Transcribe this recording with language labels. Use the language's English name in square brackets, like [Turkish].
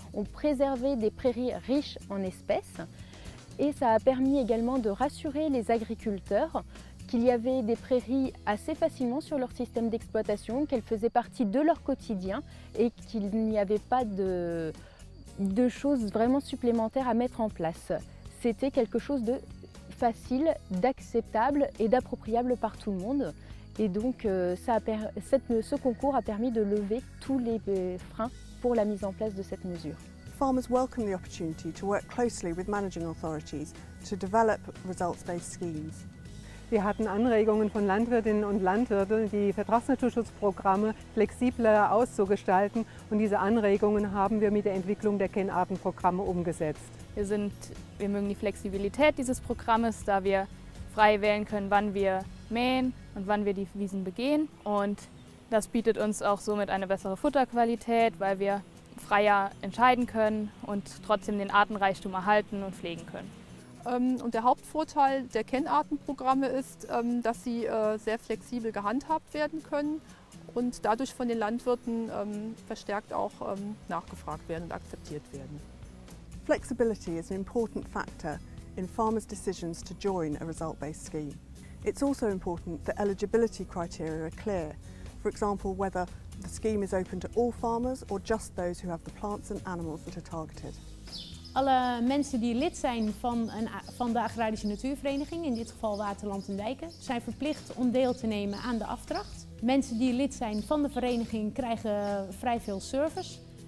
[French] On préservait des prairies riches en espèces. Et ça a permis également de rassurer les agriculteurs qu'il y avait des prairies assez facilement sur leur système d'exploitation, qu'elles faisaient partie de leur quotidien et qu'il n'y avait pas de choses vraiment supplémentaires à mettre en place. C'était quelque chose de facile, d'acceptable et d'appropriable par tout le monde. Et donc ce concours a permis de lever tous les freins pour la mise en place de cette mesure. [English] Farmers welcome the opportunity to work closely with managing authorities to develop results-based schemes. [German] Wir hatten Anregungen von Landwirtinnen und Landwirten, die Vertragsnaturschutzprogramme flexibler auszugestalten. Und diese Anregungen haben wir mit der Entwicklung der Kennartenprogramme umgesetzt. Wir mögen die Flexibilität dieses Programmes, da wir frei wählen können, wann wir mähen und wann wir die Wiesen begehen. Und das bietet uns auch somit eine bessere Futterqualität, weil wir freier entscheiden können und trotzdem den Artenreichtum erhalten und pflegen können. Und der Hauptvorteil der Kennartenprogramme ist, dass sie sehr flexibel gehandhabt werden können und dadurch von den Landwirten verstärkt auch nachgefragt werden und akzeptiert werden. [English] Flexibility is an important factor in farmers' decisions to join a result-based scheme. It's also important that eligibility criteria are clear, for example, whether the scheme is open to all farmers or just those who have the plants and animals that are targeted. [Dutch] Alle mensen die lid zijn van de Agrarische Natuurvereniging, in dit geval Waterland en Dijken, zijn verplicht om deel te nemen aan de aftracht. Mensen die lid zijn van de vereniging krijgen vrij veel service.